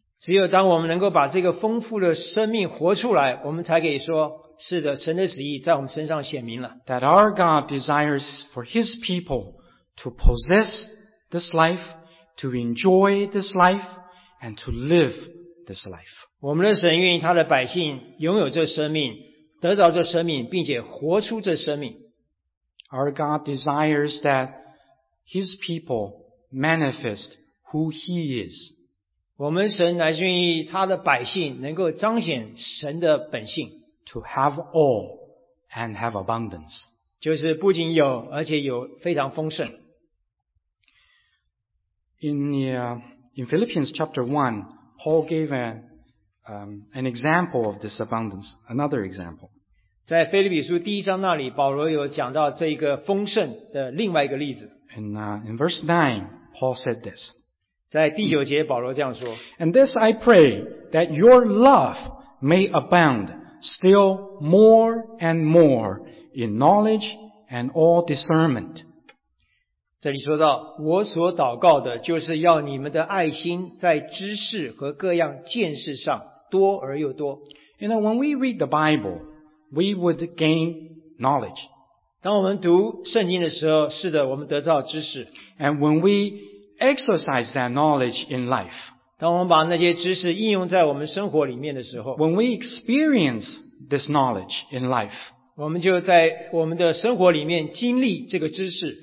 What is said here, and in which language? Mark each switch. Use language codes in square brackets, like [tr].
[zh] 只有当我们能够把这个丰富的生命活出来，我们才可以说。是的，神的旨意在我们身上显明了。 [en] That our God desires for His people to possess this life, to enjoy this life, and to live this life. [zh] 我们的神愿意他的百姓拥有这生命，得着这生命，并且活出这生命。 [en] Our God desires that His people manifest who He is. [zh] 我们神乃是愿意他的百姓能够彰显神的本性。 [en] To have all and have abundance. [zh] 就是不仅有而且有非常丰盛。 [en] In Philippians chapter 1, Paul gave an example of this abundance, another example. [zh] 在腓立比书第一章那里保罗有讲到这个丰盛的另外一个例子。 [en] In verse 9, Paul said this. [zh] 在第九节保罗这样说。 [en] And this I pray that your love may abound. Still more and more in knowledge and all discernment. [zh] 这里说到，我所祷告的就是要你们的爱心在知识和各样见识上多而又多。 [en] You know, when we read the Bible, we would gain knowledge. [zh] 当我们读圣经的时候，是的，我们得到知识。 [en] And when we exercise that knowledge in life, [zh] 当我们把那些知识应用在我们生活里面的时候 [en] When we experience this knowledge in life, [zh] 我们就在我们的生活里面经历这个知识。